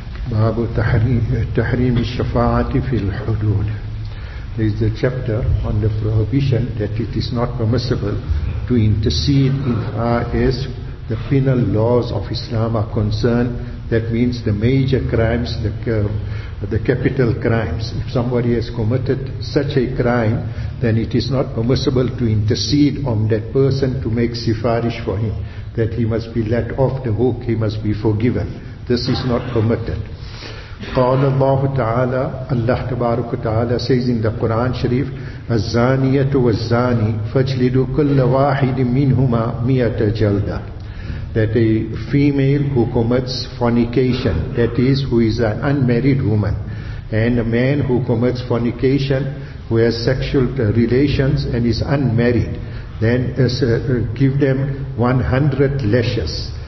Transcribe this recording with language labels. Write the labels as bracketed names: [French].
[Arabic] باب تحريم الشفاعة في الحدود. [English] There is a chapter on the prohibition that it is not permissible to intercede in far as the penal laws of Islam are concerned. That means the major crimes, the capital crimes. If somebody has committed such a crime, then it is not permissible to intercede on that person to make sifarish for him, that he must be let off the hook, he must be forgiven. This is not permitted. [Arabic] قال الله تعالى, Allah تبارك وتعالى [English] says in the Quran Sharif, [Arabic] الزانية والزاني فاجلدوا كل واحد منهما مئة جلدة. [English] That a female who commits fornication, that is, who is an unmarried woman, and a man who commits fornication, who has sexual relations and is unmarried, then give them 100 lashes.